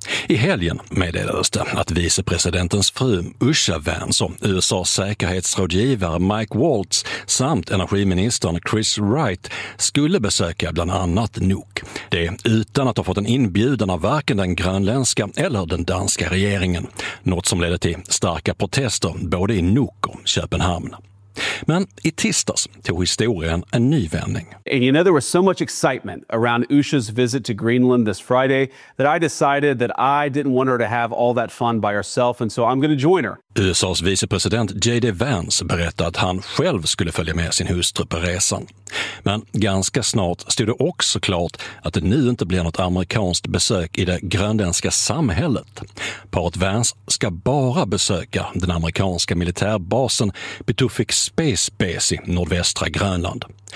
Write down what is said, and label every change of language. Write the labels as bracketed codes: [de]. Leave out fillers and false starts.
[sv] I helgen meddelades det att vicepresidentens fru Usha Vance, USAs säkerhetsrådgivare Mike Waltz samt energiministern Chris Wright skulle besöka bland annat Nuuk. Det utan att ha fått en inbjudan av varken den grönländska eller den danska regeringen. Något som ledde till starka protester både i Nuuk och Köpenhamn. Men i tisdags tog historien en ny vändning. [en] And you know there was so much excitement around Usha's visit to Greenland this Friday that I decided that I didn't want her to have all that fun by herself and so I'm going to join her. [sv] USAs vicepresident J.D. Vance berättade att han själv skulle följa med sin hustru på resan. Men ganska snart stod det också klart att det nu inte blir något amerikanskt besök i det grönländska samhället. Paret Vance ska bara besöka den amerikanska militärbasen Pituffik Space Base i nordvästra Grönland.